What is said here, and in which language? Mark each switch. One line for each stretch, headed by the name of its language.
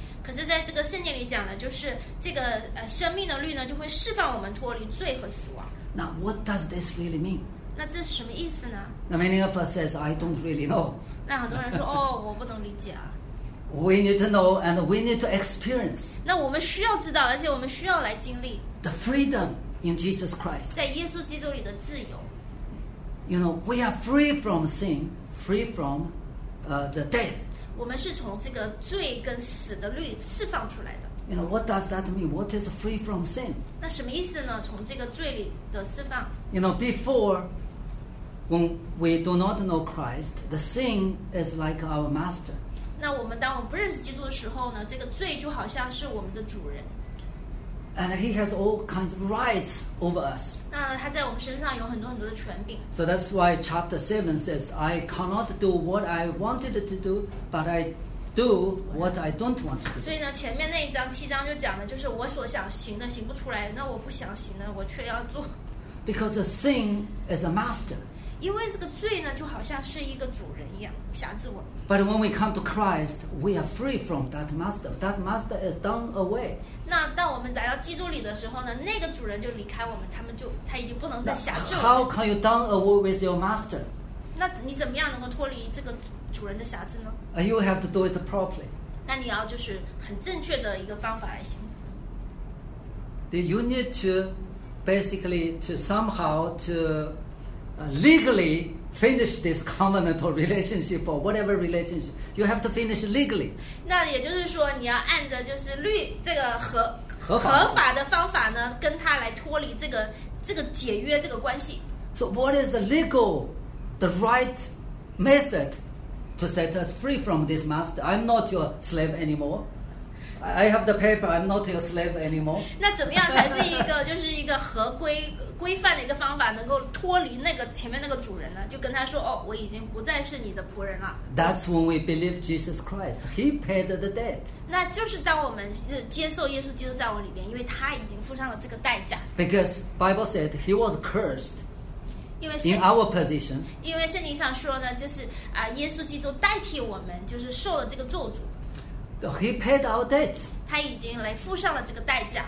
Chinese: 可是在这个圣经里讲的就是这个生命的律呢就会释放我们脱离罪和死亡。
English: Now, what does this really mean?
Chinese: 那这是什么意思呢?
English: Now, many of us says, I don't really know.
Chinese: 那很多人说哦，我不能理解啊。
English: We need to know and we need to experience.
Chinese: 那我们需要知道而且我们需要来经历。
English: The freedom. In Jesus Christ,
Chinese: 在耶稣基督里的自由。
English: You know, we are free from sin, free from the death.
Chinese: 我们是从这个罪跟死的律释放出来的。
English: You know, what does that mean? What is free from sin?
Chinese: 那什么意思呢？从这个罪里的释放。
English: You know, before when we do not know Christ, the sin is like our master.
Chinese: 那我们当我们不认识基督的时候呢？这个罪就好像是我们的主人。
English: And he has all kinds of rights over us.
Chinese: 那他在我们身上有很多很多的权柄。
English: So that's why chapter 7 says, I cannot do what I wanted to do, but I do what I don't want to do.
Chinese: 所以呢，前面那一章七章就讲的就是我所想行的行不出来，那我不想行的我却要做。
English: Because the sin is a master.
Chinese: 因为这个罪呢，就好像是一个主人一样，辖制我。
English: But when we come to Christ, we are free from that master. That master is done away.
Chinese: 那当我们来到基督里的时候呢，那个主人就离开我们，他已经不能再辖制我们。
English: How can you done away with your master?
Chinese: 那你怎么样能够脱离这个主人的辖制呢？
English: You have to do it properly.
Chinese: 那你要就是很正确的一个方法来行。
English: You need to basically to somehow to legally. Finish this covenantal relationship or whatever relationship you have to finish legally.
Chinese: 那也就是说，你要按着就是律这个合法的方法呢，跟他来脱离这个解约这个关系。
English: So what is the legal, the right method to set us free from this master? I'm not your slave anymore. I have the paper. I'm not your slave anymore.
Chinese: 那怎么样才是一个就是一个合规？规范的一个方法能够脱离那个前面那个主人呢就跟他说哦，我已经不再是你的仆人了
English: That's when we believe Jesus Christ He paid the debt
Chinese: 那就是当我们接受耶稣基督在我里面因为他已经付上了这个代价
English: Because Bible said he was cursed
Chinese: 因为
English: In our position
Chinese: 因为圣经上说呢就是耶稣基督代替我们就是受了这个咒诅
English: He paid our debt
Chinese: 他已经来付上了这个代价